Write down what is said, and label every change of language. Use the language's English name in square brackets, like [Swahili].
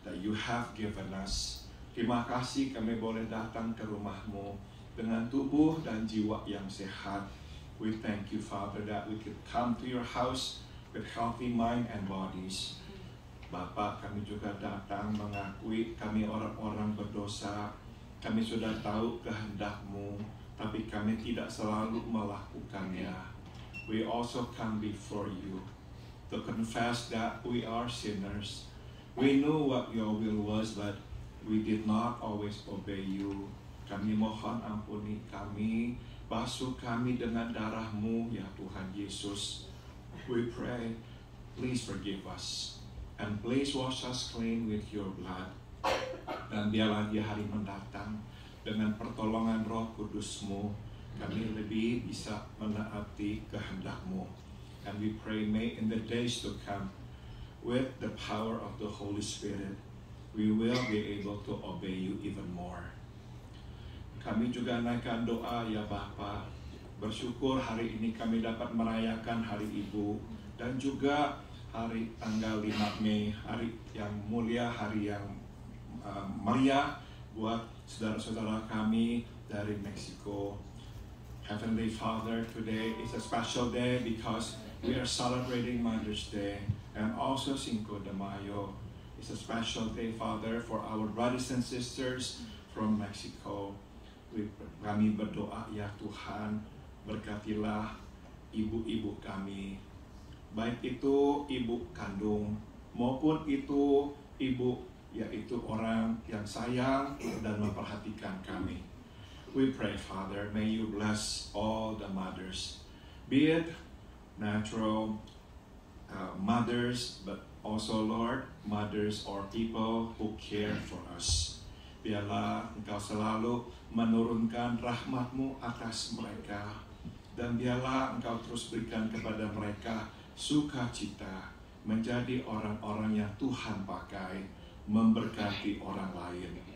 [Indonesian] Terima kasih kami boleh datang ke rumahmu dengan tubuh dan jiwa yang sehat. [English] We thank you, Father, that we could come to your house with healthy mind and bodies. [Indonesian] Bapa, kami juga datang mengakui kami orang-orang berdosa. Kami sudah tahu kehendakmu, tapi kami tidak selalu melakukannya. [English] We also come before you to confess that we are sinners. We knew what your will was, but we did not always obey you. [Indonesian] Kami mohon ampuni kami, basuh kami dengan darah-Mu, ya Tuhan Yesus. [English] We pray, please forgive us, and please wash us clean with your blood. [Indonesian] Dan biarlah di hari mendatang, dengan pertolongan Roh Kudus-Mu, kami lebih bisa menaati kehendak-Mu. [English] And we pray, may in the days to come, with the power of the Holy Spirit, we will be able to obey you even more. [Indonesian] Kami juga naikkan doa ya Bapa. Bersyukur hari ini kami dapat merayakan Hari Ibu dan juga hari tanggal 5 Mei, hari yang mulia, hari yang meriah buat saudara-saudara kami dari Meksiko. [English] Heavenly Father, today is a special day because we are celebrating Mother's Day and also Cinco de Mayo. It's a special day, Father, for our brothers and sisters from Mexico. [Indonesian] Kami berdoa, ya Tuhan, berkatilah ibu-ibu kami. Baik itu ibu kandung, maupun itu ibu, yaitu orang yang sayang dan memperhatikan kami. [English] We pray, Father, may you bless all the mothers, be it natural mothers, but also, Lord, mothers or people who care for us. [Indonesian] Biarlah engkau selalu menurunkan rahmatmu atas mereka, dan biarlah engkau terus berikan kepada mereka sukacita menjadi orang-orang yang Tuhan pakai memberkati orang lain.